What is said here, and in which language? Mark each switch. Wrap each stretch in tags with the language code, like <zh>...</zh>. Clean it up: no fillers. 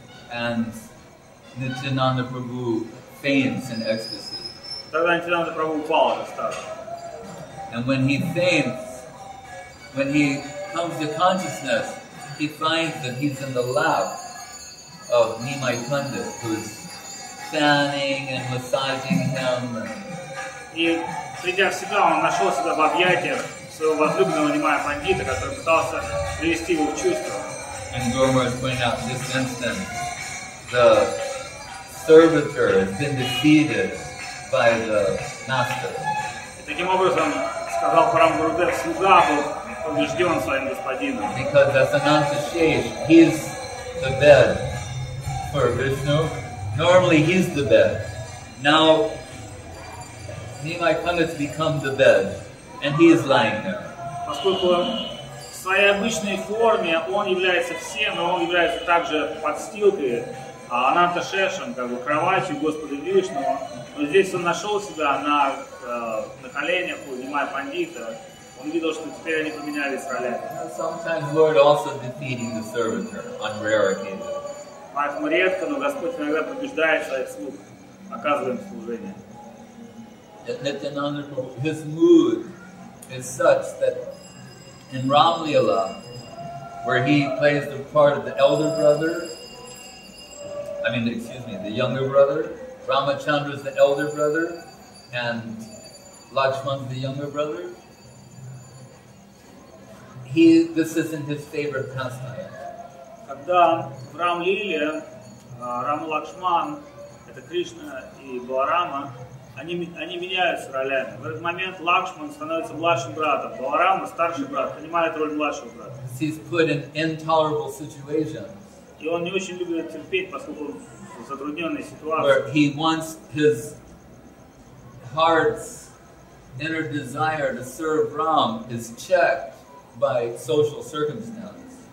<en>And Nityananda Prabhu faints in ecstasy.</en> <ru>Тогда Нитинанда Прабху упал от страха.</ru> <en>And when he faints, when he comes to consciousness, he finds that he's in the lap of Nimai Pandit, who's fanning and massaging him.</en> <ru>И придя в себя, он нашел себя в объятиях своего возлюбленного Нимая Пандита, который пытался привести его в чувство.</ru> <en>And Gormar is pointing out in this instance, the servitor has been defeated by the master.</en> <ru>Таким образом, сказал Парамгурудев, слуга был побежден своим господином.</ru> <en>Because as Ananta Shesh, he's the bed for Vishnu. Normally he's the bed. Now Nimai Pandit's become the bed, and he is lying there.</en> <ru>Поскольку в своей обычной форме он является всем, но он является также подстилкой, а Ананта Шешем, как бы кроватью Господа Вишну. Но здесь он нашел себя на коленях, поднимая пандита. Он видел, что теперь они поменялись ролями.</ru> <en>Sometimes Lord also defeating the servitor on rare occasions.</en> <ru>Поэтому редко, но Господь иногда побеждает своих слуг, оказывает служение.</ru> <en>Nityananda, his mood is such that in Ramlila, where he plays the part of the elder brother, the younger brother, Ramachandra is the elder brother, and Lakshman is the younger brother, this is in his favorite pastime.</en> <ru>Когда в Рамлиле Рама Лакшман, это Кришна и Баларама, они меняются ролями. В этот момент Лакшман становится младшим братом, Баларама старший брат, принимает роль младшего брата.</ru> <en>He's put in intolerable situations.</en> <ru>И он не очень любит терпеть, поскольку он в затрудненной ситуации.</ru> <en>Where he wants his heart's inner desire to serve Ram is checked by social circumstances.</en>